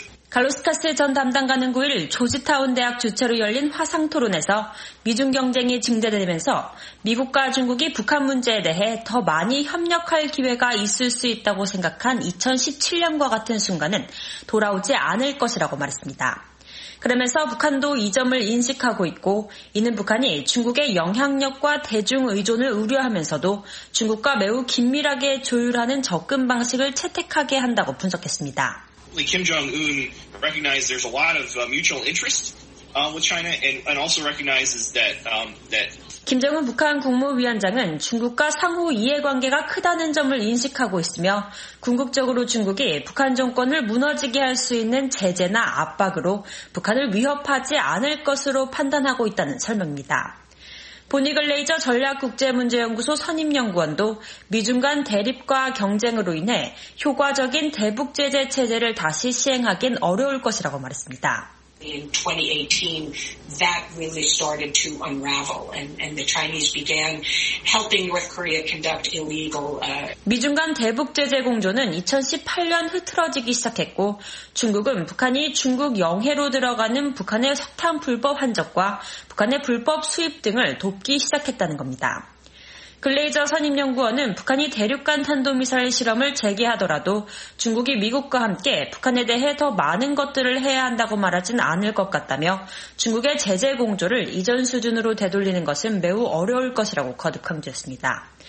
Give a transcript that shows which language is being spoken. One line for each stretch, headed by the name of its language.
Korean: 갈로스카스 전 담당관은 9일 조지타운 대학 주최로 열린 화상 토론에서 미중 경쟁이 증대되면서 미국과 중국이 북한 문제에 대해 더 많이 협력할 기회가 있을 수 있다고 생각한 2017년과 같은 순간은 돌아오지 않을 것이라고 말했습니다. 그러면서 북한도 이 점을 인식하고 있고 이는 북한이 중국의 영향력과 대중 의존을 우려하면서도 중국과 매우 긴밀하게 조율하는 접근 방식을 채택하게 한다고 분석했습니다.
English: Kim Jong-un recognizes there's a lot of mutual interest with China and also recognizes that that
Korean: 김정은 북한 국무위원장은 중국과 상호 이해관계가 크다는 점을 인식하고 있으며 궁극적으로 중국이 북한 정권을 무너지게 할 수 있는 제재나 압박으로 북한을 위협하지 않을 것으로 판단하고 있다는 설명입니다. 보니글레이저 전략국제문제연구소 선임연구원도 미중 간 대립과 경쟁으로 인해 효과적인 대북 제재 체제를 다시 시행하긴 어려울 것이라고 말했습니다.
English: In 2018, that really started to unravel, and the Chinese began helping North Korea conduct illegal.
Korean: 미중 간 대북 제재 공조는 2018년 흐트러지기 시작했고, 중국은 북한이 중국 영해로 들어가는 북한의 석탄 불법 환적과 북한의 불법 수입 등을 돕기 시작했다는 겁니다. 글레이저 선임연구원은 북한이 대륙간 탄도미사일 실험을 재개하더라도 중국이 미국과 함께 북한에 대해 더 많은 것들을 해야 한다고 말하진 않을 것 같다며 중국의 제재 공조를 이전 수준으로 되돌리는 것은 매우 어려울 것이라고 거듭 강조했습니다.